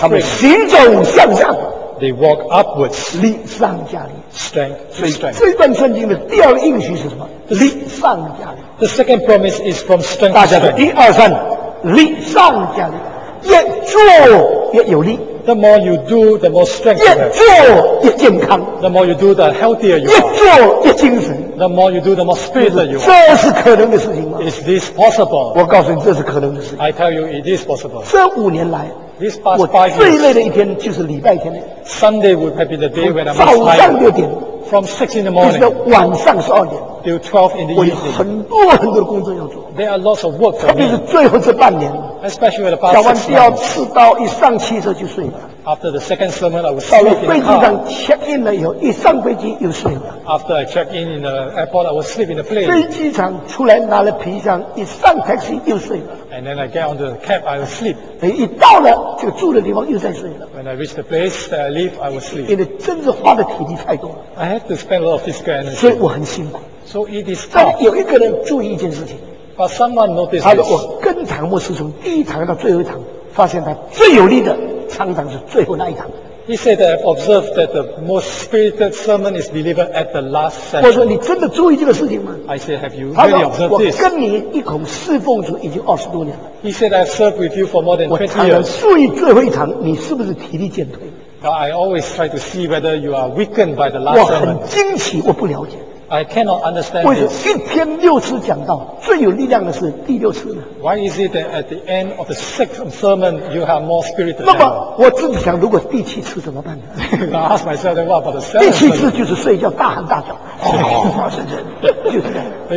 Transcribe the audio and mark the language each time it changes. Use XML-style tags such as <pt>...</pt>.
<zh>他们行走向上。</zh> <en>They walk upwards.</en> <zh>力上加力。</zh> <en>Strength.</en> <zh>所以这一段圣经的第二个应许是什么？力上加力。</zh> <en>The second promise is from strength.</en> <zh>大家的一二三，力上加力，越做越有力。</zh> <en>The more you do, the more strength you have.</en> <zh>越做越健康。</zh> <en>The more you do, the healthier you are.</en> <zh>越做越精神。</zh> <en>The more you do, the more spirit you are.</en> <zh>这是可能的事情吗</zh> <en>？Is this possible?</en> <zh>我告诉你，这是可能的事情。</zh> <en>I tell you, it is possible.</en> <zh>这五年来</zh> <en>，these past five years,</en> <zh>我最累的一天就是礼拜天。</zh> <en>Sunday would have been the day when I'm tired.</en> <zh>早上六点</zh> <en>，from six in the morning,</en> <zh>就是晚上十二点</zh> <en>，till twelve in the evening.</en> <zh>我有很多很多的工作要做。</zh> <en>There are lots of work for me.</en> <zh>特别是最后这半年。</zh> <en>Especially the past six months.</en> <zh>小王第二次到一上汽车就睡了。</zh> <en>After the second sermon, I was sleeping.</en> <zh>到了飞机上 check in 了以后，一上飞机又睡了。</zh> <en>After I check in the airport, I was sleeping in the plane.</en> <zh>飞机场出来拿了皮箱，一上 taxi 又睡了。</zh> <en>And then I get on the cab, I was sleep.</en> <zh>等一到了这个住的地方又在睡了。</zh> <en>When I reach the place that I live, I was sleep.</en> <zh>因为真是花的体力太多了。</zh> <en>I had to spend a lot of physical energy.</en> <zh>所以我很辛苦。</zh> <en>So it is tough.</en> <zh>但有一个人注意一件事情。</zh> <en>But someone noticed.</en> <zh>他说：“我跟唐牧师从第一堂到最后一堂，发现他最有力的常常是最后那一堂。”</zh> <en>He said that I've observed that the most spirited sermon is delivered at the last session.</en> <zh>我说：“你真的注意这个事情吗</zh> <en>？”I said, "Have you really observed this?"</en> <zh>我跟你一同侍奉主已经二十多年了。</zh> <en>He said, "I've served with you for more than 20 years."</en> <zh>我常注意最后一堂，你是不是体力减退</zh> <en>？But I always try to see whether you are weakened by the last sermon.</en> <zh>我很惊奇，我不了解。</zh> <en>I cannot understand.</en> <zh>为什么一天六次讲道最有力量的是第六次呢</zh> <en>？Why is it that at the end of the sixth sermon you have more spirit?</en> <zh>那么我自己想，如果第七次怎么办呢</zh> <en>？I ask myself what about the seventh?</en> <zh>第七次就是睡觉大喊大叫，就是这样。</zh>